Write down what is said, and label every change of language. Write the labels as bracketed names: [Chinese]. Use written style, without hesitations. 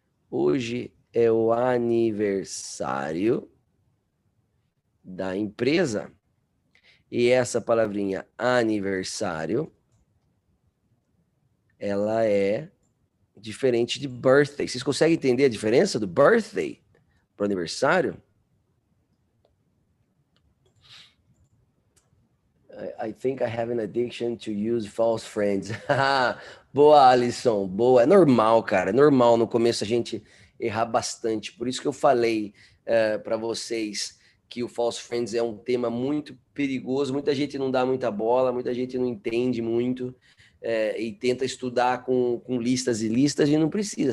[Portuguese] Hoje é o aniversário da empresa. E essa palavrinha aniversário, ela é diferente de birthday. Vocês conseguem entender a diferença do birthday para aniversário? [English] I think I have an addiction to use false friends. [Portuguese] Boa, Alisson. Boa. É normal, cara. É normal no começo a gente errar bastante. Por isso que eu falei para vocês que o false friends é um tema muito perigoso. Muita gente não dá muita bola, muita gente não entende muito. E tenta estudar com listas e listas e não precisa.